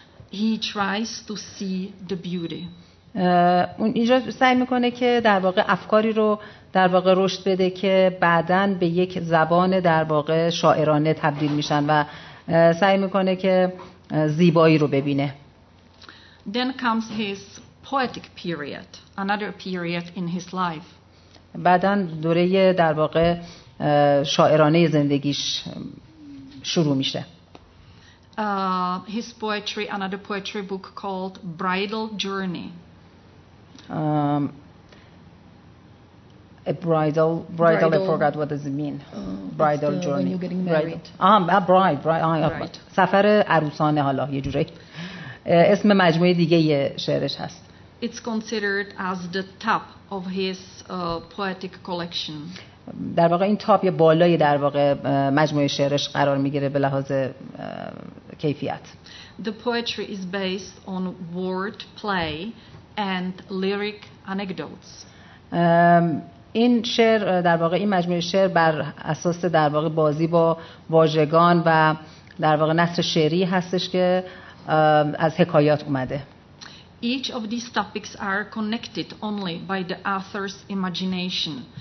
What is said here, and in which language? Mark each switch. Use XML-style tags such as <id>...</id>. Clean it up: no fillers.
<en>He tries to see the beauty.</en> <fa>اون اینجا سعی میکنه که در واقع افکاری رو در واقع رشد بده که بعداً به یک زبان در واقع شاعرانه تبدیل میشن و سعی میکنه که زیبایی رو ببینه.</fa> <en>Then comes his poetic period, another period in his life.</en> <fa>بعدن دوره در واقع شاعرانه زندگیش شروع میشه.</fa> <en>His poetry, another poetry book called Bridal Journey. A bridal. I forgot what does it mean. Bridal journey. When you're getting married. Bride.</en> <fa>سفر عروسانه حالا یه جوری. اسم مجموعه دیگه یه شعرش هست.</fa> <en>It's considered as the top of his poetic collection.</en> <fa>در واقع این تاپ یا بالای در واقع مجموعه شعرش قرار میگیره به لحاظ کیفیت.</fa> <en>The poetry is based on word play and lyric anecdotes.</en> <fa>این شعر در واقع این مجموعه شعر بر اساس در واقع بازی با واژگان و در واقع نثر شعری هستش که از حکایات اومده.</fa> <en>Each of these topics are connected only by the author's imagination.</en>